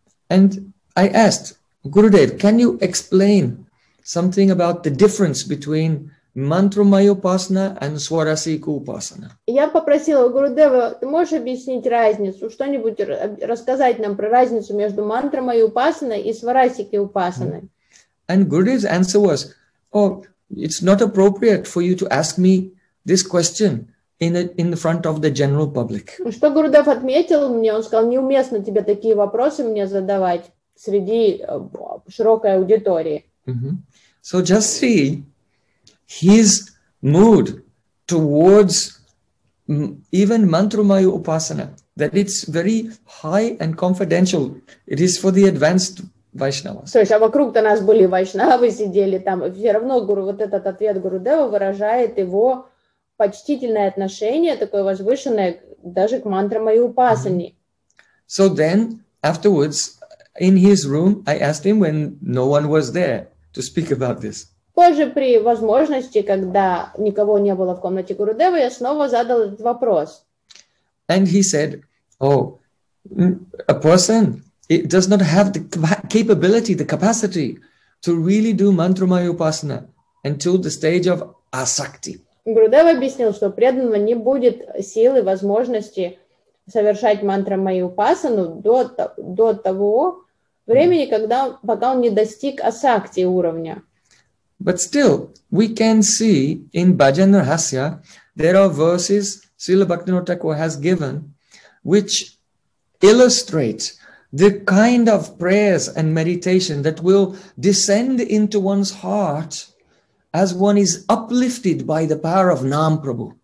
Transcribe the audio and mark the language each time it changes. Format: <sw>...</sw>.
<en>And I asked, Gurudev, can you explain something about the difference between Мантрамая упасана and сварасика упасана.</en> <ru>Я попросила Гурудева, ты можешь объяснить разницу, что-нибудь рассказать нам про разницу между мантрамая упасана и сварасики упасана.</ru> <en>And Gurudev's answer was, oh, it's not appropriate for you to ask me this question in the front of the general public.</en> <ru>Что Гурудев отметил мне, он сказал, неуместно тебе такие вопросы мне задавать среди широкой аудитории.</ru> <en>So just see his mood towards even mantramaya upasana, that it's very high and confidential. It is for the advanced Vaishnavas.</en> <ru>Слушай, а вокруг-то нас были вайшнавы, сидели там. Все равно гуру, вот этот ответ Гурудева выражает его почтительное отношение, такое возвышенное, даже к мантрамаю упасане.</ru> <en>So then, afterwards, in his room, I asked him when no one was there to speak about this.</en> <ru>Позже при возможности, когда никого не было в комнате Гурудева, я снова задал этот вопрос.</ru> <en>And he said, oh, a person does not have the capability, the capacity to really do mantramaya upasana until the stage of asakti.</en> <ru>Гурудев объяснил, что преданного не будет силы, возможности совершать мантрамаю упасану до того времени, пока он не достиг асакти уровня.</ru> <en>But still, we can see in Bhajan Rahasya, there are verses Srila Bhaktivinoda Thakur has given, which illustrate the kind of prayers and meditation that will descend into one's heart as one is uplifted by the power of Nam Prabhu.</en>